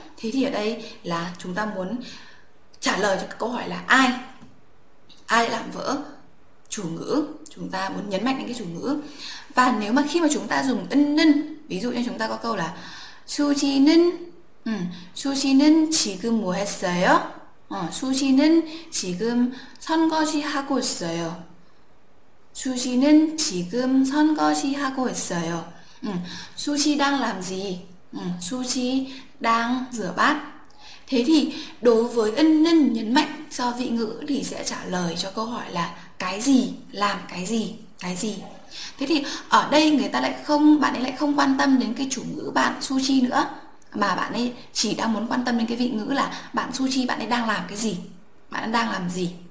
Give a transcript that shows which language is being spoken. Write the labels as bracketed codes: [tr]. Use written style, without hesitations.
[vi] Thế thì ở đây là chúng ta muốn trả lời cho câu hỏi là ai, ai làm vỡ chủ ngữ. Chúng ta muốn nhấn mạnh đến cái chủ ngữ. Và nếu mà khi mà chúng ta dùng ân nhân, ví dụ như chúng ta có câu là [ko] 수지는 수지는 지금 뭐 했어요? 수지는 지금 선거지 하고 있어요. 수지는 지금 선거시 하고 있어요. [vi] Suji đang làm gì? Suji đang rửa bát. Thế thì đối với ân nhân nhấn mạnh do vị ngữ thì sẽ trả lời cho câu hỏi là cái gì, làm cái gì, cái gì. Thế thì ở đây người ta lại không, bạn ấy lại không quan tâm đến cái chủ ngữ bạn Suji nữa, mà bạn ấy chỉ đang muốn quan tâm đến cái vị ngữ là bạn Suji, bạn ấy đang làm cái gì, bạn ấy đang làm gì.